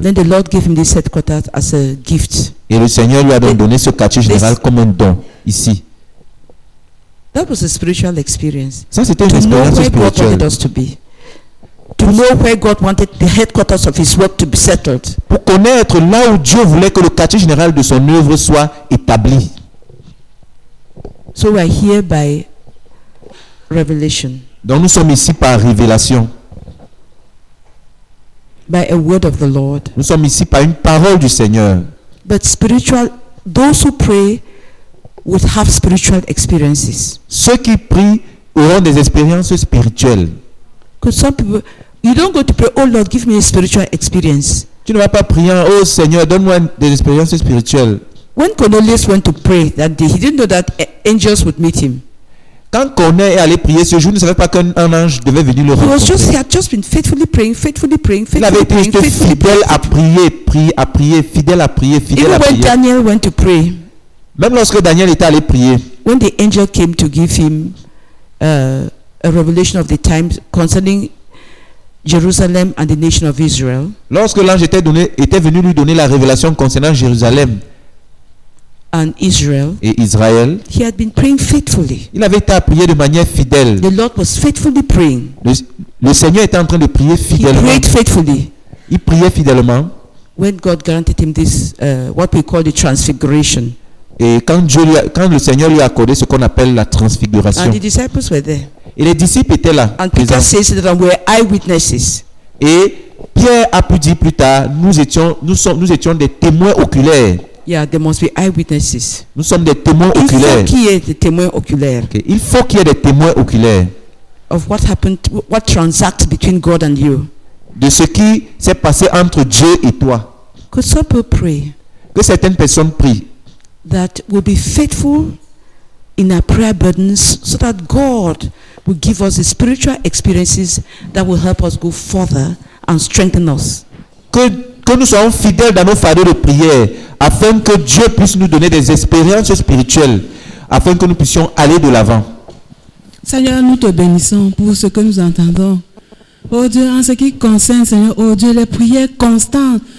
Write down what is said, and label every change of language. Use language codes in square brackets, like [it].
[en] Then the Lord gave him this headquarters as a gift. [fr] Et le Seigneur lui a donné ce quartier général comme un don ici. [en] That was a spiritual experience. [fr] Ça c'était une expérience spirituelle. [en] God wanted us to be. To know where God wanted the headquarters of His work to be settled. [fr] Pour connaître là où Dieu voulait que le quartier général de son œuvre soit établi. [en] So we are here by revelation. [fr] Donc nous sommes ici par révélation. [en] By a word of the Lord. [fr] Nous sommes ici par une parole du Seigneur. [en] But spiritual, those who pray would have spiritual experiences. [fr] Ceux qui prient auront des expériences spirituelles. [en] Because some people, you don't go to pray, oh Lord, give me a spiritual experience. [fr] Tu ne vas pas prier, oh Seigneur, donne-moi des expériences spirituelles. [en] When Cornelius went to pray that day, he didn't know that angels would meet him. [fr] Quand Cornelius est allé prier ce jour, il ne savait pas qu'un ange devait venir le rencontrer. Il avait été fidèle à prier. [en] Even when Daniel went to pray. [fr] Même lorsque Daniel était allé prier. [en] When the angel came to give him a revelation of the times concerning Jerusalem and the nation of Israel. [fr] Lorsque l'ange était venu lui donner la révélation concernant Jérusalem. [en] And Israel, [fr] et Israël, [en] he had been praying faithfully. [fr] Il avait été à prier de manière fidèle. [en] The Lord was faithfully praying. [fr] Le Seigneur était en train de prier fidèlement. [en] He prayed faithfully. [fr] Il priait fidèlement. [en] When God granted him this, what we call the transfiguration. [fr] Et quand le Seigneur lui a accordé ce qu'on appelle la transfiguration. [en] And the disciples were there. [fr] Et les disciples étaient là. [en] And Peter says that they were eyewitnesses. [fr] Et Pierre a pu dire plus tard, nous étions des témoins oculaires. [en] Yeah, there must be eyewitnesses. [fr] Nous sommes des témoins oculaires. Il faut qu'il y ait des témoins oculaires. Okay. Il faut qu'il y ait des témoins oculaires. [en] Of what happened, what transacts between God and you. [fr] De ce qui s'est passé entre Dieu et toi. [en] Could some people pray? [fr] Que certaines personnes prient. [en] That will be faithful in our prayer burdens, so that God will give us the spiritual experiences that will help us go further and strengthen us. [fr] Que nous soyons fidèles dans nos fardeaux de prière, afin que Dieu puisse nous donner des expériences spirituelles, afin que nous puissions aller de l'avant. Seigneur, nous te bénissons pour ce que nous entendons. Oh Dieu, en ce qui concerne, Seigneur, oh Dieu, les prières constantes.